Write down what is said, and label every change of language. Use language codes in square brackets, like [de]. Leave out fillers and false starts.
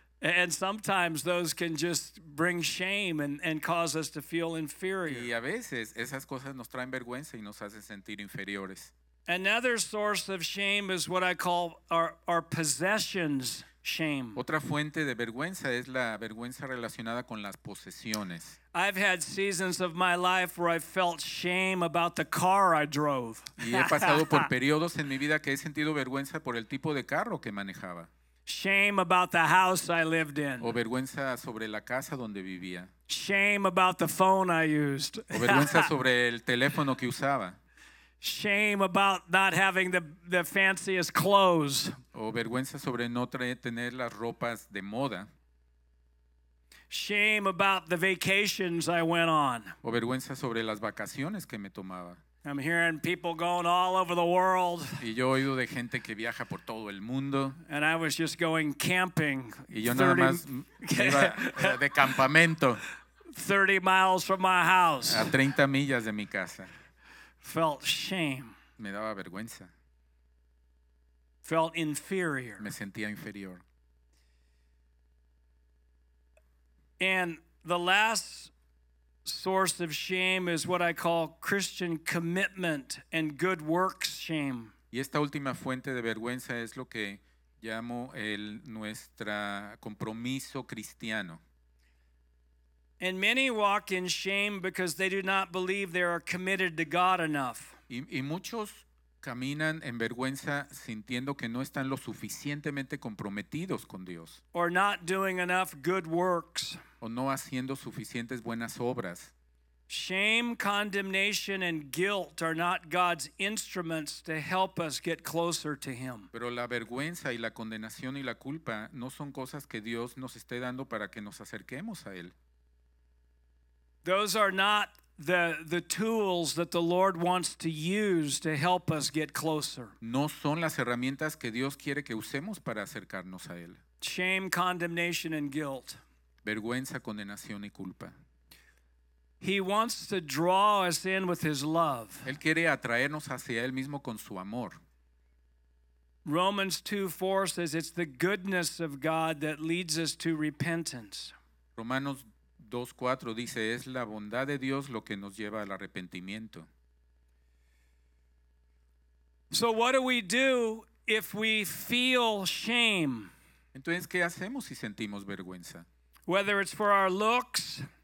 [en] And sometimes those can just bring shame and cause us to feel inferior. [es] Y a veces esas cosas nos traen vergüenza y nos hacen sentir inferiores. [en] Another source of shame is what I call our possessions shame. [es] Otra fuente de vergüenza es la vergüenza relacionada con las posesiones. [en] I've had seasons of my life where I felt shame about the car I drove. [es] Y he pasado por periodos en mi vida que he sentido vergüenza por el tipo de carro que manejaba. [en] Shame about the house I lived in. [es] O vergüenza sobre la casa donde vivía. [en] Shame about the phone I used. [es] O vergüenza sobre el teléfono que usaba. [en] Shame about not having the fanciest clothes. [es] O vergüenza sobre no tener las ropas de moda. [en] Shame about the vacations I went on. [es] O vergüenza sobre las vacaciones que me tomaba. [en] I'm hearing people going all over the world. [es] Y yo he oído de gente que viaja por todo el mundo. [en] And I was just going camping. [es] Y yo nada más iba de campamento. [en] 30 miles from my house. [es] A 30 millas de mi casa. [en] Felt shame. [es] Me daba vergüenza. [en] Felt inferior. [es] Me sentía inferior. [en] And the last source of shame is what I call Christian commitment and good works shame. [es] Y esta última fuente de vergüenza es lo que llamo el nuestro compromiso cristiano. [en] And many walk in shame because they do not believe they are committed to God enough. [es] Y muchos caminan en vergüenza sintiendo que no están lo suficientemente comprometidos con Dios. [en] Or not doing enough good works. [es] O no haciendo suficientes buenas obras. [en] Shame, condemnation, and guilt are not God's instruments to help us get closer to Him. [es] Pero la vergüenza y la condenación y la culpa no son cosas que Dios nos esté dando para que nos acerquemos a Él. [en] Those are not the tools that the Lord wants to use to help us get closer. [es] No son las herramientas que Dios quiere que usemos para acercarnos a Él. [en] Shame, condemnation, and guilt. [es] Vergüenza, condenación y culpa. [en] He wants to draw us in with His love. [es] Él quiere atraernos hacia Él mismo con su amor. [en] Romans 2:4 says it's the goodness of God that leads us to repentance. [es] Romanos 2:4 dice, es la bondad de Dios lo que nos lleva al arrepentimiento. [en] So what do we do if we feel shame? [es] Entonces, ¿qué hacemos si sentimos vergüenza? [en] Whether it's for our looks,